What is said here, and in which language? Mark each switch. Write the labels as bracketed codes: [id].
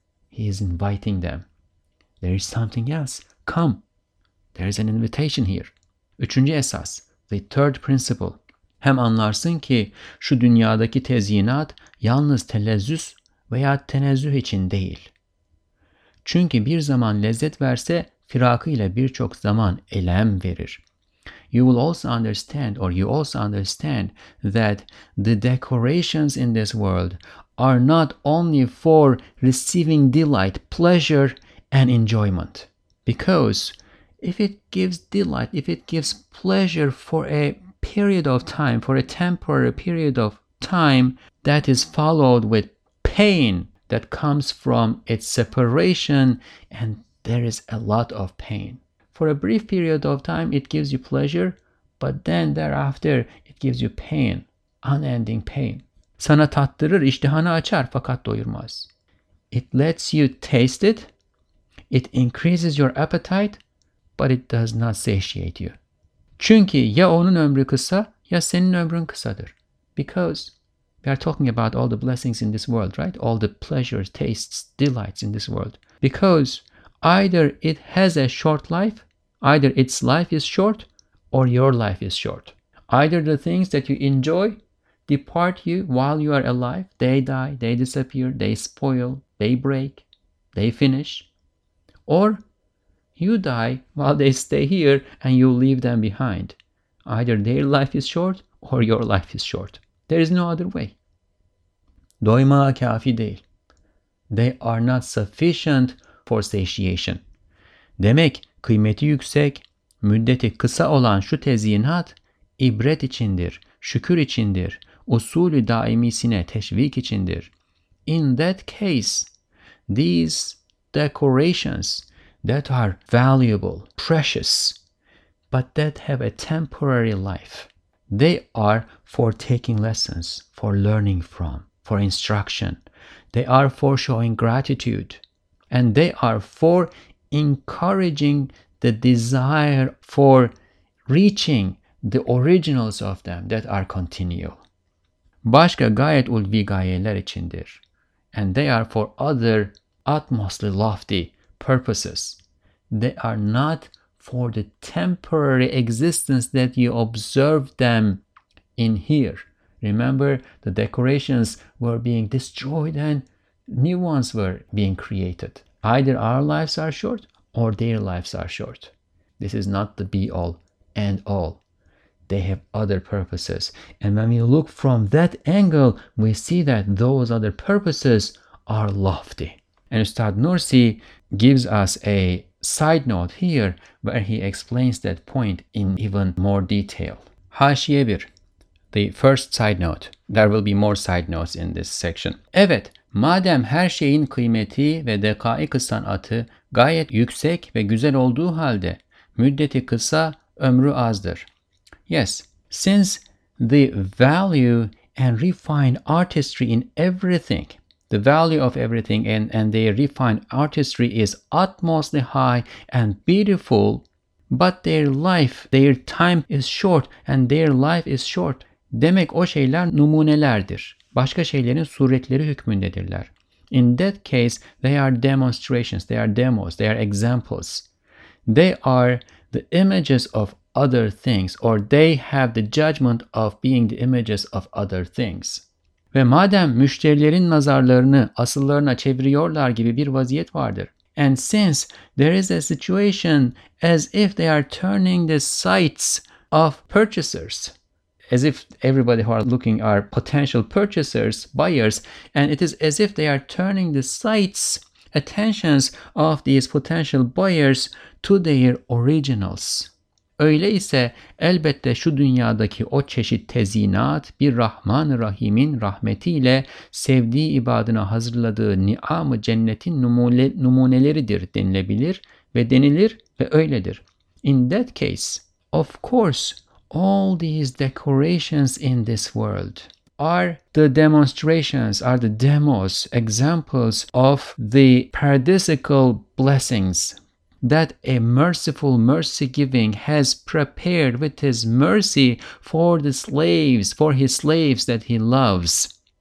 [en] He is inviting them. There is something else. Come. There is an invitation here. [tr] Üçüncü esas, [en] the third principle. [tr] Hem anlarsın ki şu dünyadaki tezyinat yalnız telezzüs veya tenezzüh için değil. Çünkü bir zaman lezzet verse firakıyla birçok zaman elem verir. [en] You will also understand, or you also understand that the decorations in this world are not only for receiving delight, pleasure, and enjoyment. Because if it gives delight, if it gives pleasure for a period of time, for a temporary period of time, that is followed with pain, that comes from its separation, and there is a lot of pain. For a brief period of time, it gives you pleasure, but then thereafter, it gives you pain, unending pain. [tr] Sana tattırır, iştahını açar, fakat doyurmaz. [en] It lets you taste it, it increases your appetite, but it does not satiate you. [tr] Çünkü ya onun ömrü kısa, ya senin ömrün kısadır. [en] Because we are talking about all the blessings in this world, right? All the pleasures, tastes, delights in this world. Because either it has a short life, either its life is short, or your life is short. Either the things that you enjoy depart you while you are alive. They die, they disappear, they spoil, they break, they finish. Or you die while they stay here and you leave them behind. Either their life is short or your life is short. There is no other way. [tr] Doyma kafi değil. [en] They are not sufficient for satiation. [tr] Demek kıymeti yüksek, müddeti kısa olan şu tezyinat ibret içindir, şükür içindir, usulü daimisine teşvik içindir. [en] In that case, these decorations that are valuable, precious, but that have a temporary life, they are for taking lessons, for learning from, for instruction. They are for showing gratitude, and they are for encouraging the desire for reaching the originals of them that are continual. [tr] Başka gayet ulvi gayeler içindir. [en] And they are for other utmostly lofty purposes. They are not for the temporary existence that you observe them in here. Remember, the decorations were being destroyed and new ones were being created. Either our lives are short or their lives are short. This is not the be-all and all. They have other purposes. And when we look from that angle, we see that those other purposes are lofty. And Ustad Nursi gives us a side note here where he explains that point in even more detail. [tr] Haşiye bir, [en] the first side note. There will be more side notes in this section. [tr] Evet, madem her şeyin kıymeti ve dekaik-ı sanatı gayet yüksek ve güzel olduğu halde müddeti kısa, ömrü azdır. [en] Yes, since the value and refined artistry in everything, the value of everything and their refined artistry is utmostly high and beautiful, but their life, their time is short and their life is short. [tr] Demek o şeyler numunelerdir. Başka şeylerin suretleri hükmündedirler. [en] In that case, they are demonstrations, they are demos, they are examples. They are the images of other things, or they have the judgment of being the images of other things. [tr] Ve madem müşterilerin nazarlarını asıllarına çeviriyorlar gibi bir vaziyet vardır. [en] And since there is a situation as if they are turning the sights of purchasers, as if everybody who are looking are potential purchasers, buyers, and it is as if they are turning the sights, attentions of these potential buyers to their originals. [tr] Öyle ise elbette şu dünyadaki o çeşit tezyinat bir Rahman-ı Rahim'in rahmetiyle sevdiği ibadına hazırladığı ni'am-ı cennetin numuneleridir denilebilir ve denilir ve öyledir. [en] In that case, of course, all these decorations in this world are the demonstrations, are the demos, examples of the paradisical blessings that a merciful, mercy-giving has prepared with his mercy for the slaves, for his slaves that he loves.